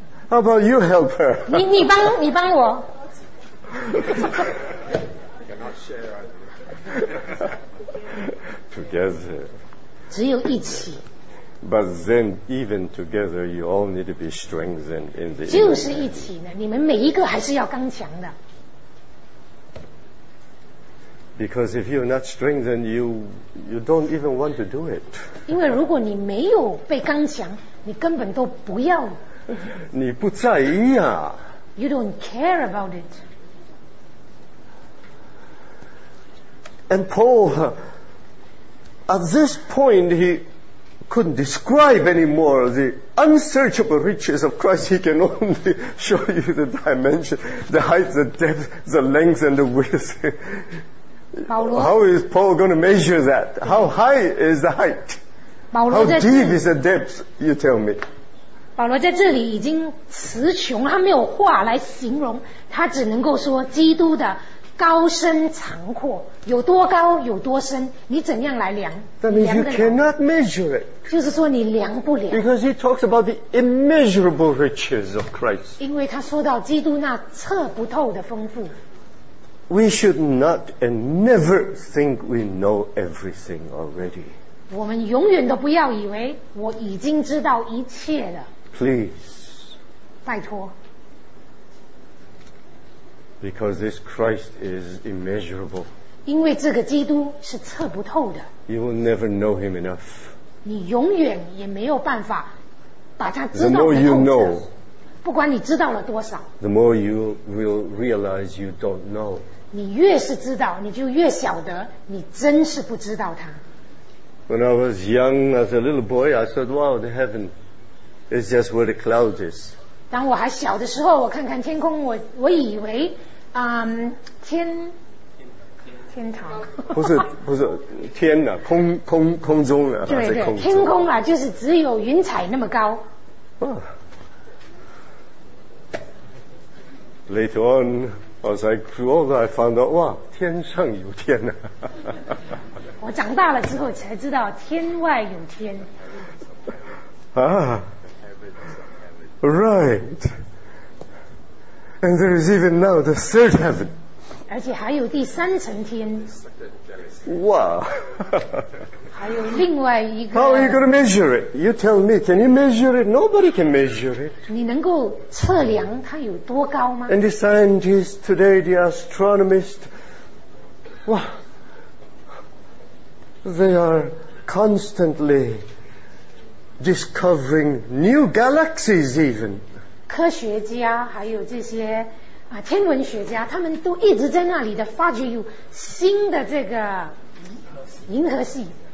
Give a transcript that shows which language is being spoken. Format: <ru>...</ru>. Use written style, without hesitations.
<en>How about you help her?</en> <zh>你帮我。</zh> <en>Cannot share. Together.</en> <zh>只有一起。</zh> <en>But then, even together, you all need to be strengthened in the.</en> <zh>就是一起呢，你们每一个还是要刚强的。</zh> <en>Because if you're not strengthened, you don't even want to do it.</en> <zh>因为如果你没有被刚强，你根本都不要。你不在意啊。</zh> <en>You don't care about it. And Paul, at this point, he. Couldn't describe anymore the unsearchable riches of Christ. He can only show you the dimension, the height, the depth, the length, and the width.</en> <zh>保罗</zh> <en>How is Paul going to measure that? How high is the height?</en> <zh>保罗</zh> <en>How deep is the depth? You tell me.</en> <zh>保罗在这里已经词穷，他没有话来形容，他只能够说基督的高深长阔有多高有多深，你怎样来量？</zh> <en>That means you cannot measure it.</en> <zh>就是说你量不了。</zh> <en>Because he talks about the immeasurable riches of Christ.</en> <zh>因为他说到基督那测不透的丰富。</zh> <en>We should not and never think we know everything already.</en> <zh>我们永远都不要以为我已经知道一切了。</zh> <en>Please.</en> <zh>拜托。</zh> <en>Because this Christ is immeasurable.</en> <zh>因为这个基督是测不透的。</zh> <en>You will never know him enough.</en> <zh>你永远也没有办法把他知道得透彻。</zh> <en>The more you know,</en> <zh>不管你知道了多少。</zh> <en>The more you will realize you don't know.</en> <zh>你越是知道，你就越晓得你真是不知道他。</zh> <en>When I was young, as a little boy, I said, "Wow, the heaven is just where the clouds is."</en> <zh>当我还小的时候，我看看天空，我以为，天堂不是天啊，空中啊，对对，天空啊，就是只有云彩那么高。</zh> <en>Later on, as I grew older, I found out,</en> <zh>哇，天上有天啊。我长大了之后才知道天外有天。</zh> <en>Right. And there is even now the third heaven.</en> <zh>而且还有第三层天。哇。还有另外一个。</zh> <en>How are you going to measure it? You tell me, can you measure it? Nobody can measure it.</en> <zh>你能够测量它有多高吗？</zh> <en>And the scientists today, the astronomists, wow, they are constantly discovering new galaxies even.</en> <zh>科学家还有这些天文学家，他们都一直在那里的发掘有新的这个银河系。</zh>